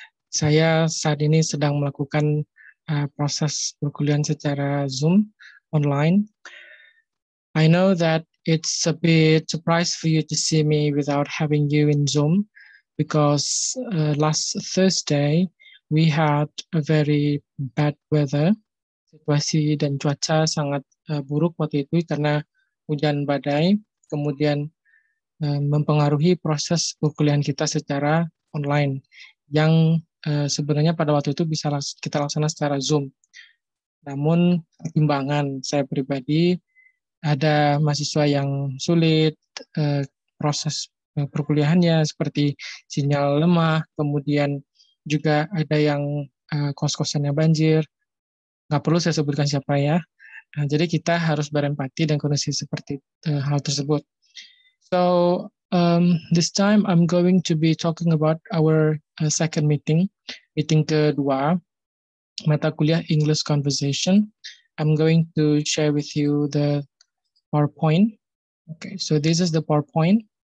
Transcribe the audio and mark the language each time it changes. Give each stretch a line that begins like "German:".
Indonesian: Saya saat ini sedang melakukan proses perkuliahan secara Zoom online.
English: I know that it's a bit surprise for you to see me without having you in Zoom because last Thursday we had a very bad weather.
Indonesian: Situasi dan cuaca sangat buruk waktu itu karena hujan badai, kemudian mempengaruhi proses perkuliahan kita secara online yang sebenarnya pada waktu itu bisa kita laksanakan secara Zoom. Namun pertimbangan saya pribadi, ada mahasiswa yang sulit proses perkuliahannya seperti sinyal lemah, kemudian juga ada yang kos-kosannya banjir. Nggak perlu saya sebutkan siapa ya. Nah, jadi kita harus berempati dan kondisi seperti hal tersebut.
English: So, this time I'm going to be talking about our second meeting,
Indonesian: meeting kedua, mata kuliah
English: English Conversation. I'm going to share with you the PowerPoint. Okay, so this is the PowerPoint.